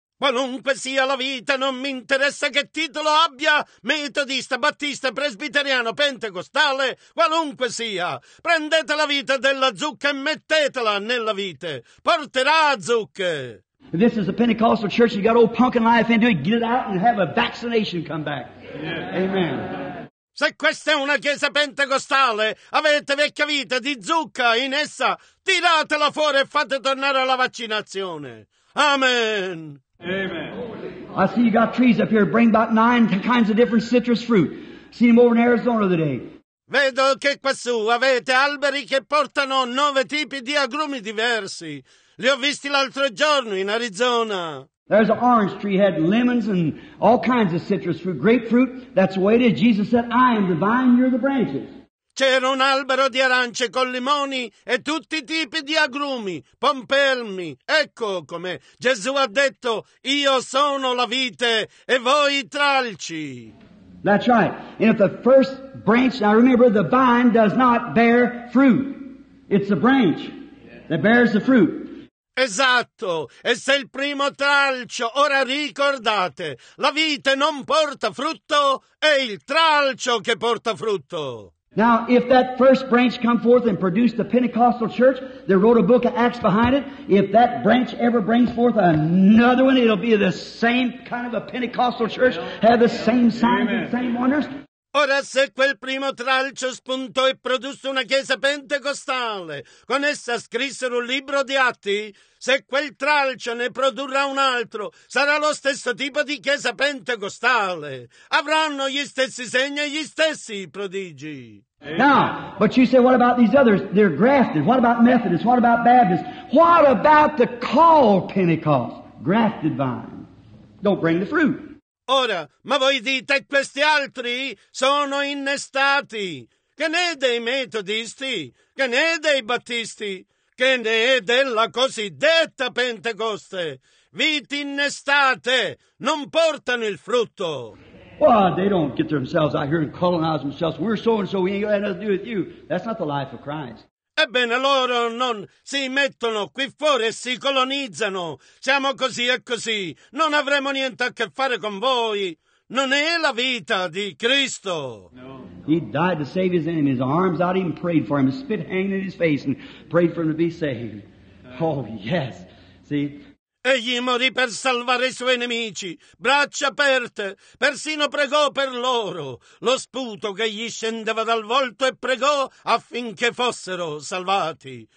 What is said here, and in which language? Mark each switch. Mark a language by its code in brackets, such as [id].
[it] Qualunque sia la vita, non mi interessa che titolo abbia, metodista, battista, presbiteriano, pentecostale, qualunque sia, prendete la vita della zucca e mettetela nella vite, porterà zucche. [en] This is a Pentecostal church, you got old pumpkin life into it, get it out and have a vaccination come back. Yeah. Amen. [it] Se questa è una chiesa pentecostale, avete vecchia vita di zucca in essa, tiratela fuori e fate tornare alla vaccinazione. [en] Amen. Amen. I see you got trees up here, bring about 9 kinds of different citrus fruit. See them over in Arizona today. [it] Vedo che quassù avete alberi che portano 9 tipi di agrumi diversi. Li ho visti l'altro giorno in Arizona. [en] There's an orange tree, had lemons and all kinds of citrus fruit, grapefruit. That's the way it is. Jesus said, I am the vine, you're the branches. [it] C'era un albero di arance con limoni e tutti i tipi di agrumi, pompelmi. Ecco come Gesù ha detto, io sono la vite e voi i tralci. [en] That's right. And if the first branch, now remember the vine does not bear fruit. It's the branch that bears the fruit. [it] Esatto, e se il primo tralcio, ora ricordate, la vite non porta frutto, è il tralcio che porta frutto. [en] Now, if that first branch come forth and produced the Pentecostal church, they wrote a book of Acts behind it, if that branch ever brings forth another one, it'll be the same kind of a Pentecostal church, have the same signs Amen. And same wonders. [it] Ora se quel primo tralcio spuntò e produsse una chiesa pentecostale, con essa scrissero un libro di atti, se quel tralcio ne produrrà un altro, sarà lo stesso tipo di chiesa pentecostale. Avranno gli stessi segni e gli stessi prodigi. [en] Now, but you say, what about these others? They're grafted. What about Methodists? What about Baptists? What about the call Pentecost? Grafted vine. Don't bring the fruit. [it] Ora, ma voi dite questi altri sono innestati. Che ne è dei metodisti? Che ne è dei battisti? Che ne è della cosiddetta Pentecoste? Viti innestate non portano il frutto. [en] Well, they don't get themselves out here and colonize themselves. We're so and so, we ain't got nothing to do with you. That's not the life of Christ. [it] Ebbene, loro non si mettono qui fuori e si colonizzano. Siamo così e così. Non avremo niente a che fare con voi. Non è la vita di Cristo. [en] He died to save his enemies. Arms out, even prayed for him. Spit hanging in his face and prayed for him to be saved. Oh, yes. See? [it] Egli morì per salvare i suoi nemici, braccia aperte, persino pregò per loro, lo sputo che gli scendeva dal volto e pregò affinché fossero salvati.